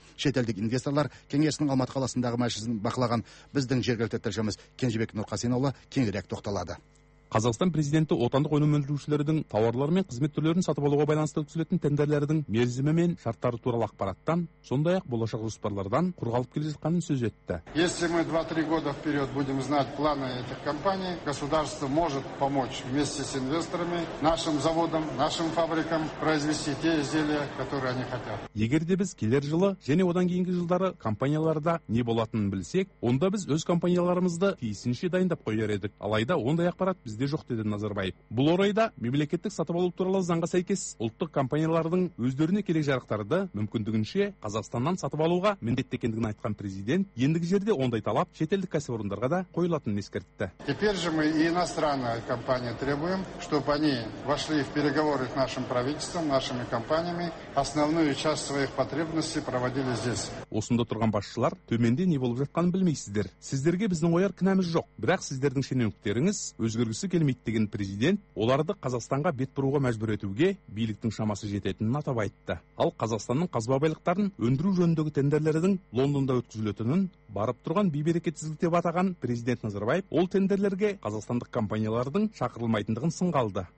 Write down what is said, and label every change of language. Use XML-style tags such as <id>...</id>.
<kk>Шетелдік инвесторлар кеңесінің Алматы қаласындағы мәжілісін бақылаған біздің жергілікті тілшіміз Кенжебек Нұрқасенұлы кеңірек тоқталады. Қазақстан президенті отандық өнім өндірушілердің тауарлар мен қызмет түрлерін сатып алуға байланысты өткізілетін тендерлердің мерзімі мен шарттары туралы ақпараттан, сондай-ақ болашақ жоспарлардан құрғалып келе жатқанын сөз етті.</kk> <ru>Если мы 2-3 года вперед будем знать планы этих компаний, государство может помочь вместе с инвесторами нашим заводам, нашим фабрикам произвести те изделия, которые они хотят.</ru> <kk>Егер де біз келер жылы және одан кейінгі жылдары компанияларда не болатынын білсек, онда біз өз компанияларымызды тиісінше дайындап қояр едік. Алайда ондай ақпарат бізде жоқ, деді Назарбаев. Бұл орайда мемлекеттік сатып алу туралы заңға сәйкес ұлттық компаниялардың өздеріне керек жарақтарды мүмкіндігінше Қазақстаннан сатып алуға міндетті екендігін айтқан президент, ендігі жерде ондай талап шетелдік кәсіпорындарға да қойылатынын ескертті.</kk> <ru>Теперь же мы иностранные компании требуем, чтобы они вошли в переговоры с нашим правительством, нашими компаниями, основную часть своих потребностей проводили здесь.</ru> <kk>Осында тұрған басшылар төменде не болып жатқанын білмейсіздер. Сіздерге біздің ойар кінәміз жоқ, бірақ сіздердің шенеуніктеріңіз өзгергісі келмейді деген президент, оларды Қазақстанға бет бұруға мәжбүр етуге биліктің шамасы жететінін атап айтты. Ал Қазақстанның қазба байлықтарын өндіру жөніндегі тендерлердің Лондонда өткізілетінін барып тұрған бейберекетсіздік деп атаған президент Назарбаев ол тендерлерге қазақстандық компаниялардың шақырылмайтындығын сынға алды.</kk>